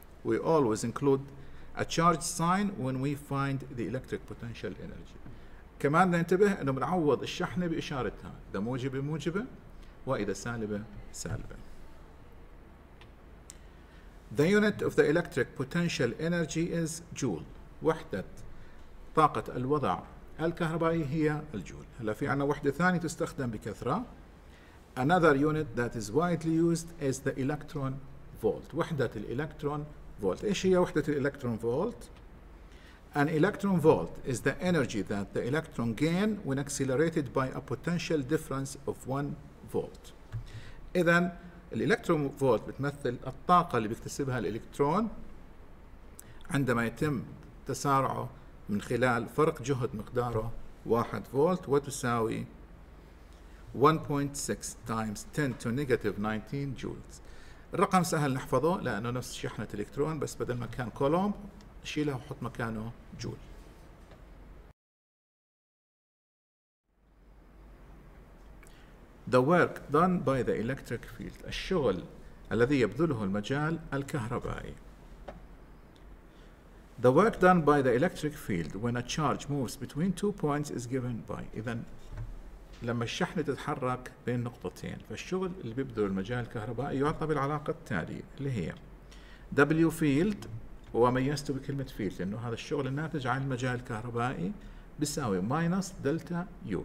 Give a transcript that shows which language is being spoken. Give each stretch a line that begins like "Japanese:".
English: We always include a charge sign when we find the electric potential energy.
Arabic: كمان ننتبه انه بنعوض الشحنه باشارتها، اذا موجبه موجبه واذا سالبه سالبه.
English: The unit of the electric potential energy is joule.
Arabic: وحده طاقه الوضع الكهربائي هي الجول. هلا في عندنا وحده ثانيه تستخدم بكثره.
English: Another unit that is widely used is the electron volt.
Arabic: وحده الالكترون فولت. إيش هي وحدة الإلكترون فولت؟
English: An electron volt is the energy that the electron gain when accelerated by a potential difference of 1 volt.
Arabic: إذن الإلكترون فولت بتمثل الطاقة اللي بيكتسبها الإلكترون عندما يتم تسارعه من خلال فرق جهد مقداره 1 فولت، وتساوي
English: 1.6 times 10 to negative 19 joules.
Arabic: الرقم سهل نحفظه لأنه نفس شحنة الإلكترون، بس بدل ما كان كولومب شيلها وحط مكانه جول.
English: The work done by the electric field.
Arabic: الشغل الذي يبذله المجال الكهربائي.
English: The work done by the electric field when a charge moves between two points is given by.
Arabic: إذن لما الشحنة تتحرك بين نقطتين، فالشغل اللي بيبذل المجال الكهربائي يعطى بالعلاقة التالية اللي هي W field، وميزته بكلمة field لأنه هذا الشغل الناتج عن المجال الكهربائي، بيساوي minus delta U.